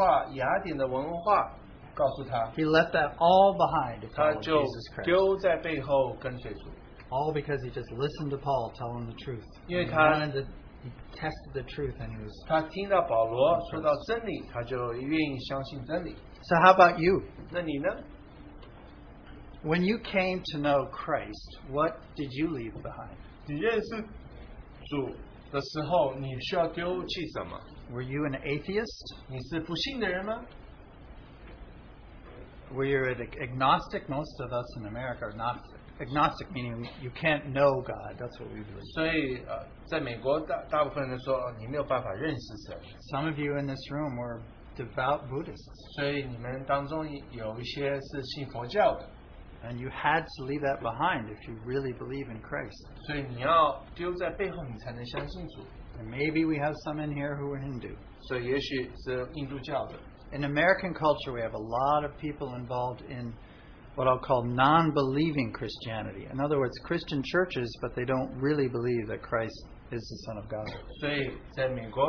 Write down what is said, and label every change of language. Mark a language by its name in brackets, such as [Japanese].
[Chinese] 他的文化，雅典的文化，告诉他。 [English] He left that all behind to follow Jesus Christ. [Chinese] 他就丢在背后跟随主。 [English] All because he just listened to Paul tell him the truth. [Chinese] 因为他。 [English] He tested the truth and he was. [Chinese] 他听到保罗说到真理，他就愿意相信真理。 [English] So how about you? [Chinese] 那你呢？ [English] When you came to know Christ, what did you leave behind? [Chinese] 你认识主的时候，你需要丢弃什么？ [English] Were you an atheist? [Chinese] 你是不信的人吗？ [English] Were you an agnostic? Most of us in America are not. Agnostic meaning you can't know God. That's what we believe. [Chinese] 所以，在美国大部分人说你没有办法认识神。 [English] Some of you in this room were devout Buddhists. [Chinese] 所以你们当中有一些是信佛教的。 [English] And you had to leave that behind if you really believe in Christ. [Chinese] 所以你要丢在背后，你才能相信主。 [English] And maybe we have some in here who are Hindu. [Chinese] 所以也许是印度教的。 [English] In American culture, we have a lot of people involved in what I'll call non-believing Christianity. In other words, Christian churches, but they don't really believe that Christ is the Son of God.